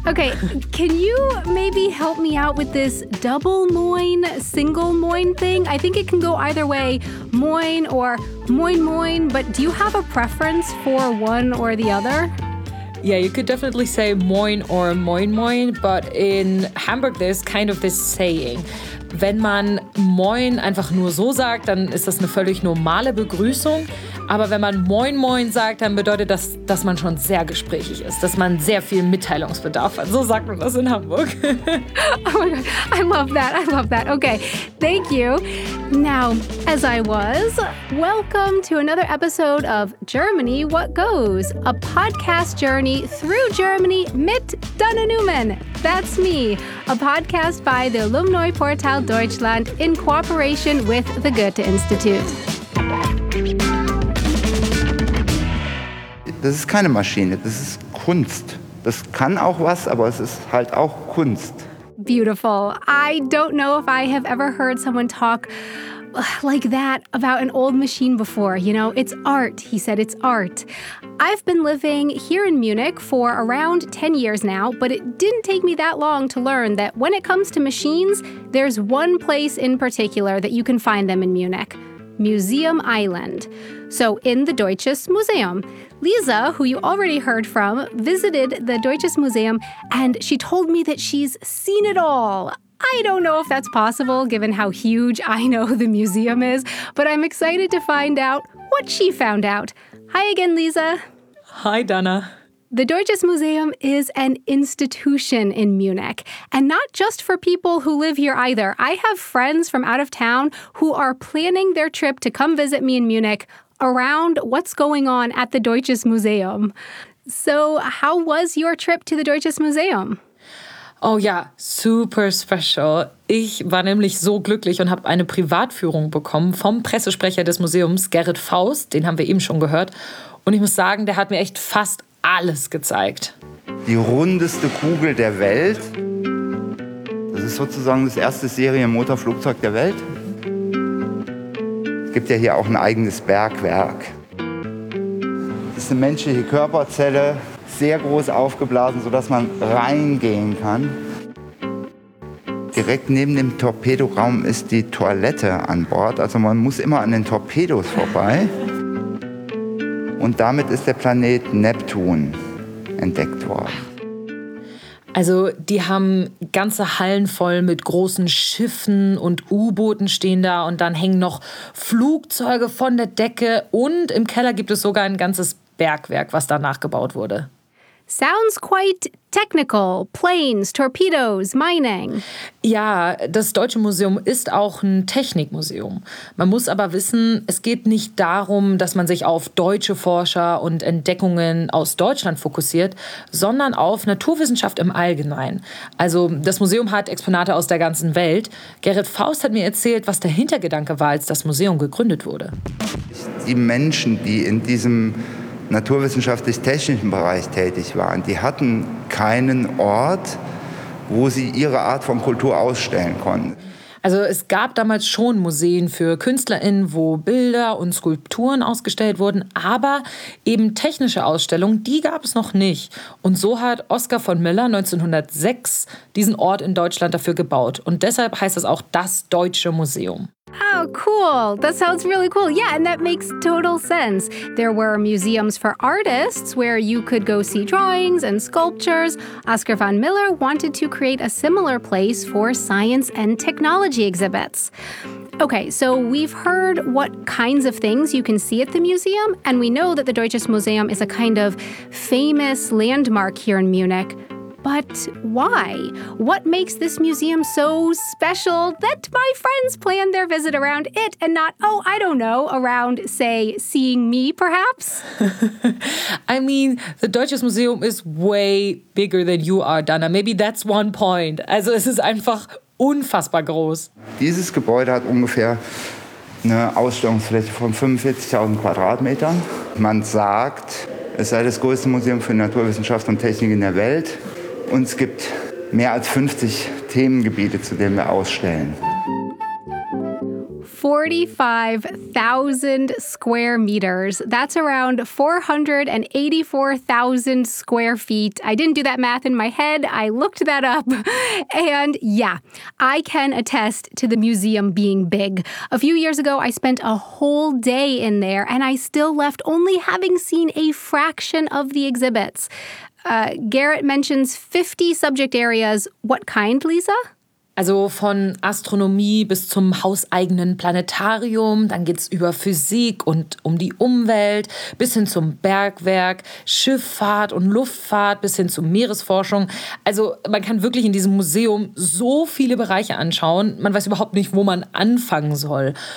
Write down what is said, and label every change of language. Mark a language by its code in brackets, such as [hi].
[en] Okay, can you maybe help me out with this double moin, single moin thing? I think it can go either way, moin or moin moin, but do you have a preference for one or the other? Yeah, you could definitely say moin or moin moin, but in Hamburg there's kind of this saying. [de] Wenn man moin einfach nur so sagt, dann ist das eine völlig normale Begrüßung. Aber wenn man moin moin sagt, dann bedeutet das, dass man schon sehr gesprächig ist, dass man sehr viel Mitteilungsbedarf hat. So sagt man das in Hamburg. [en] Oh my God, I love that, I love that. Okay, thank you. Now, as I was, welcome to another episode of Germany What Goes, a podcast journey through Germany mit Dana Neumann. That's me, a podcast by the Alumni Portal Deutschland in cooperation with the Goethe-Institut. [de] Das ist keine Maschine, das ist Kunst. Das kann auch was, aber es ist halt auch Kunst. [en] Beautiful. I don't know if I have ever heard someone talk like that about an old machine before. You know, it's art, he said, it's art. I've been living here in Munich for around 10 years now, but it didn't take me that long to learn that when it comes to machines, there's one place in particular that you can find them in Munich. Museum Island. So in the Deutsches Museum. Lisa, who you already heard from, visited the Deutsches Museum and she told me that she's seen it all. I don't know if that's possible given how huge I know the museum is, but I'm excited to find out what she found out. Hi again, Lisa. Hi, Dana. The Deutsches Museum is an institution in Munich, and not just for people who live here either. I have friends from out of town who are planning their trip to come visit me in Munich around what's going on at the Deutsches Museum. So, how was your trip to the Deutsches Museum? [de] Oh ja, super special. Ich war nämlich so glücklich und habe eine Privatführung bekommen vom Pressesprecher des Museums, Gerrit Faust. Den haben wir eben schon gehört. Und ich muss sagen, der hat mir echt fast alles gezeigt. Die rundeste Kugel der Welt. Das ist sozusagen das erste Serienmotorflugzeug der Welt. Es gibt ja hier auch ein eigenes Bergwerk. Das ist eine menschliche Körperzelle, sehr groß aufgeblasen, sodass man reingehen kann. Direkt neben dem Torpedoraum ist die Toilette an Bord. Also man muss immer an den Torpedos vorbei. Und damit ist der Planet Neptun entdeckt worden. Also die haben ganze Hallen voll mit großen Schiffen und U-Booten stehen da. Und dann hängen noch Flugzeuge von der Decke. Und im Keller gibt es sogar ein ganzes Bergwerk, was da nachgebaut wurde. [en] Sounds quite technical. Planes, torpedoes, mining. [de] Ja, das Deutsche Museum ist auch ein Technikmuseum. Man muss aber wissen, es geht nicht darum, dass man sich auf deutsche Forscher und Entdeckungen aus Deutschland fokussiert, sondern auf Naturwissenschaft im Allgemeinen. Also das Museum hat Exponate aus der ganzen Welt. Gerrit Faust hat mir erzählt, was der Hintergedanke war, als das Museum gegründet wurde. Die Menschen, die in diesem naturwissenschaftlich-technischen Bereich tätig waren. Die hatten keinen Ort, wo sie ihre Art von Kultur ausstellen konnten. Also es gab damals schon Museen für KünstlerInnen, wo Bilder und Skulpturen ausgestellt wurden, aber eben technische Ausstellungen, die gab es noch nicht. Und so hat Oskar von Miller 1906 diesen Ort in Deutschland dafür gebaut. Und deshalb heißt es auch das Deutsche Museum. [en] Oh, cool. That sounds really cool. Yeah, and that makes total sense. There were museums for artists where you could go see drawings and sculptures. Oskar von Miller wanted to create a similar place for science and technology exhibits. Okay, so we've heard what kinds of things you can see at the museum, and we know that the Deutsches Museum is a kind of famous landmark here in Munich. But why? What makes this museum so special that my friends plan their visit around it and not, oh, I don't know, around, say, seeing me, perhaps? I mean, the Deutsches Museum is way bigger than you are, Dana. Maybe that's one point. [de] Also es ist einfach unfassbar groß. Dieses Gebäude hat ungefähr eine Ausstellungsfläche von 45.000 Quadratmetern. Man sagt, es sei das größte Museum für Naturwissenschaft und Technik in der Welt. Und es gibt mehr als 50 Themengebiete, zu denen wir ausstellen. [en] 45,000 square meters. That's around 484,000 square feet. I didn't do that math in my head. I looked that up. And yeah, I can attest to the museum being big. A few years ago, I spent a whole day in there and I still left only having seen a fraction of the exhibits. Garrett mentions 50 subject areas. What kind, Lisa? [de] Also von Astronomie bis zum hauseigenen Planetarium, dann geht's über Physik und um die Umwelt, bis hin zum Bergwerk, Schifffahrt und Luftfahrt, bis hin zur Meeresforschung. Also man kann wirklich in diesem Museum so viele Bereiche anschauen, man weiß überhaupt nicht, wo man anfangen soll.